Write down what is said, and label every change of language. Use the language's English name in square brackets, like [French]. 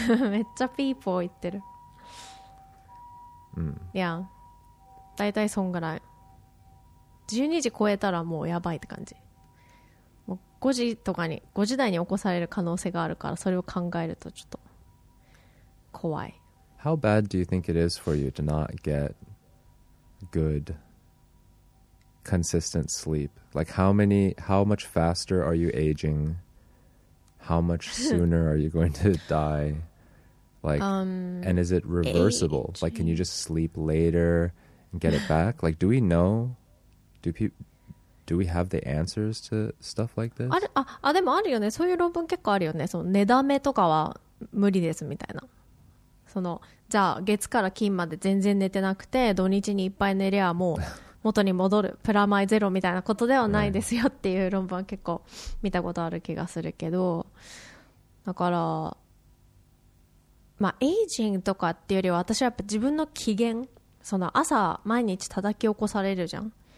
[Japanese] めっちゃピーポー言ってる。 [English] Yeah, [Japanese] だいたいそんぐらい。12時超えたらもうやばいって感じ。 5時台に起こされる可能性があるから、それを考えるとちょっと怖い。 [English] How bad do you think it is for you to not get good consistent sleep? Like how much faster are you aging? How much sooner are you going to die? Like, and is it reversible? Aging. Like can you just sleep later and get it back? Like do we know? Do we have the answers to stuff like this? [Japanese] あ、でもあるよね。そういう論文結構あるよね。その寝だめとかは無理ですみたいな。そのじゃあ月から金まで全然寝てなくて、土日にいっぱい寝ればもう元に戻るプラマイゼロみたいなことではないですよっていう論文結構見たことある気がするけど、だからまあエイジングとかっていうよりは、私はやっぱ自分の機嫌、その朝毎日叩き起こされるじゃん。